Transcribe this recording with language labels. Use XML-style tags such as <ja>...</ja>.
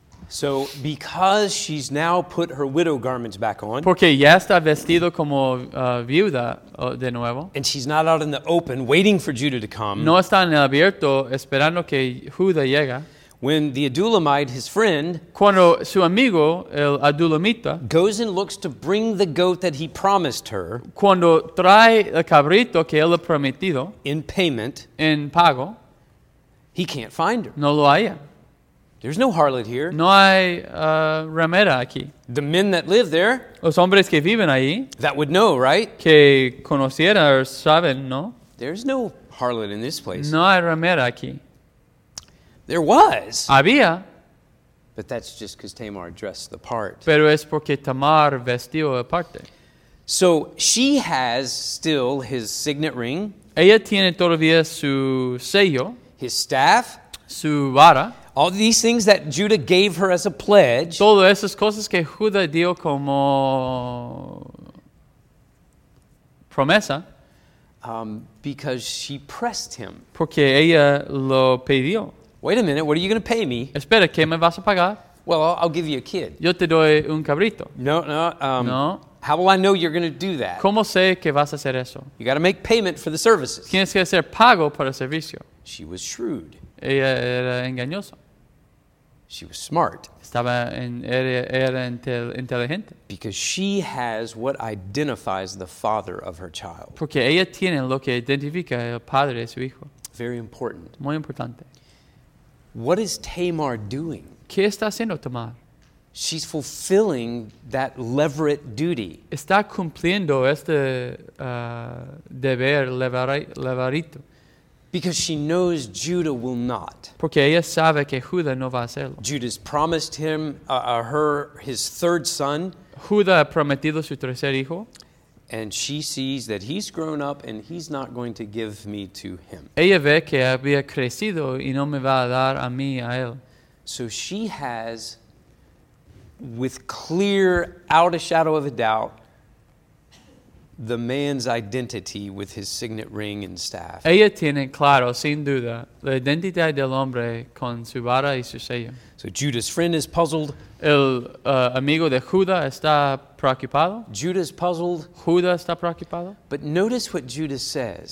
<en>So, because she's now put her widow garments back on.</en> <es>Porque ya está vestido como viuda de nuevo.</es> <en>And she's not out in the open waiting for Judah to come.</en> <es>No está en el abierto esperando que Judah llegue.</es> <en>When the Adullamite, his friend,</en> <es>cuando su amigo, el Adullamita,</es> <en>goes and looks to bring the goat that he promised her,</en> <es>cuando trae el cabrito que él ha prometido,</es> <en>in payment,</en> <es>en pago,</es> <en>he can't find her.</en> <es>No lo haya.</es> <en>There's no harlot here.</en> <es>No hay ramera aquí.</es> <en>The men that live there,</en> <es>los hombres que viven ahí,</es> <en>that would know, right?</en> <es>Que conociera o saben, ¿no?</es> <en>There's no harlot in this place.</en> <es>No hay ramera aquí.</es> <en>There was.</en> <es>Había.</es> <en>But that's just because Tamar dressed the part.</en> <es>Pero es porque Tamar vestió la parte.</es> <en>So she has still his signet ring.</en> <es>Ella tiene todavía su sello.</es> <en>His staff.</en> <es>Su vara.</es> <en>All these things that Judah gave her as a pledge.</en> <es>Todas esas cosas que Judah dio como promesa.</es> <en>Because she pressed him.</en> <es>Porque ella lo pidió.</es> <en>Wait a minute, what are you going to pay me?</en> <es>Espera, ¿qué me vas a pagar?</es> <en>Well, I'll give you a kid.</en> <es>Yo te doy un cabrito.</es> <en>No. How will I know you're going to do that?</en> <es>¿Cómo sé que vas a hacer eso?</es> <en>You got to make payment for the services.</en> <es>Tienes que hacer pago para el servicio.</es> <en>She was shrewd.</en> <es>Ella era engañosa.</es> <en>She was smart.</en> <es>Estaba en, era inteligente.</es> <en>Because she has what identifies the father of her child.</en> <es>Porque ella tiene lo que identifica el padre de su hijo.</es> <en>Very important.</en> <es>Muy importante.</es> <en>What is Tamar doing?</en> <es>¿Qué está haciendo Tamar?</es> <en>She's fulfilling that levirate duty.</en> <es>Está cumpliendo este deber levarito.</es> <en>Because she knows Judah will not.</en> <es>Porque ella sabe que Judah no va a hacerlo.</es> <en>Judah's promised him, her, his third son.</en> <es>Judah ha prometido su tercer hijo.</es> <en>And she sees that he's grown up and he's not going to give me to him.</en> <es>Ella ve que había crecido y no me va a dar a mí, a él.</es> <en>So she has, with clear, out of shadow of a doubt, the man's identity with his signet ring and staff.</en> <es>Ella tiene claro, sin duda, la identidad del hombre con su vara y su sello.</es> <en>So Judah's friend is puzzled.</en> <es>El amigo de Judah está preocupado.</es> <en>Judah's puzzled.</en> <es>Judah está preocupado.</es> <en>But notice what Judah says.</en>